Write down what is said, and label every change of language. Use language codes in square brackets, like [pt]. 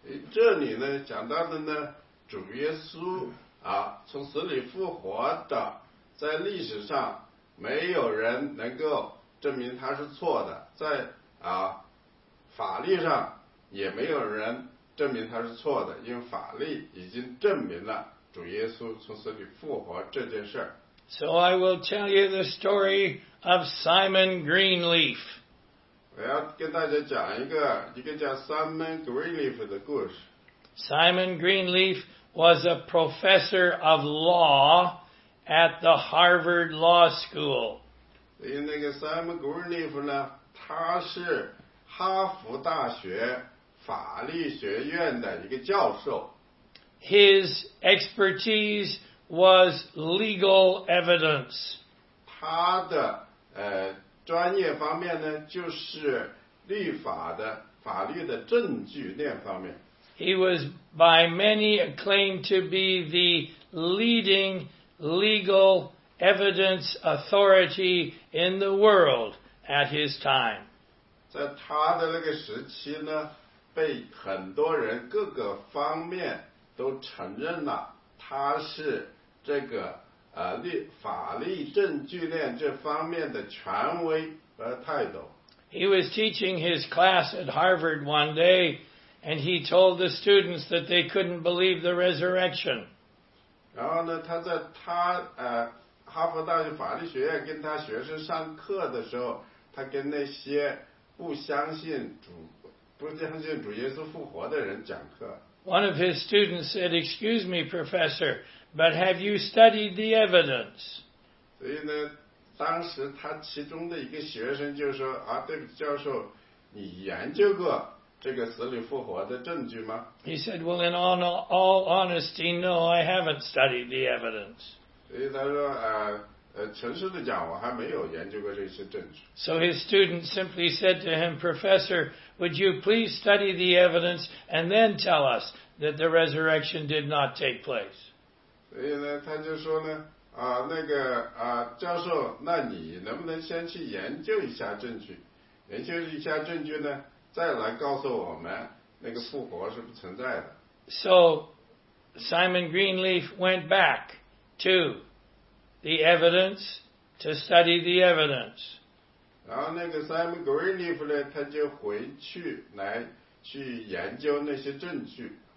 [zh] 这里呢讲到的呢，主耶稣啊从死里复活的，在历史上没有人能够证明他是错的，在啊法律上也没有人证明他是错的，因为法律已经证明了主耶稣从死里复活这件事。 [en] So I will tell you the story of Simon Greenleaf. [zh] 我要跟大家讲一个叫 Simon Greenleaf 的故事。 [en] Simon Greenleaf was a professor of law at the Harvard Law School. [zh] 所以那个 Simon Greenleaf 呢，他是哈佛大学法律学院的一个教授。 [en] His expertise was legal evidence. [zh] 他的专业方面呢，就是律法的法律的证据链方面。 [en] He was by many acclaimed to be the leading legal evidence authority in the world at his time. [zh] 在他的那个时期呢，被很多人各个方面都承认了，他是这个法律证据链这方面的权威和泰斗。 [en] He was teaching his class at Harvard one day, and he told the students that they couldn't believe the resurrection. [zh] 然后呢，他在哈佛大学法律学院跟他学生上课的时候，他跟那些不相信主耶稣复活的人讲课。 [en] One of his students said, "Excuse me, professor, but have you studied the evidence?" [zh] 所以呢，当时他其中的一个学生就说，对不起，教授，你研究过这个死里复活的证据吗？ [en] He said, "Well, in all honesty, no, I haven't studied the evidence." [zh] 所以他说，诚实地讲，我还没有研究过这些证据。 [en] So his student simply said to him, Professor, would you please study the evidence and then tell us that the resurrection did not take place? [zh] 所以呢，他就说呢，啊，那个啊，教授，那你能不能先去研究一下证据，研究一下证据呢，再来告诉我们那个复活是不存在的。 [en] So Simon Greenleaf went back to the evidence to study the evidence. [zh] 然后那个 Simon Greenleaf 呢，他就回去来去研究那些证据。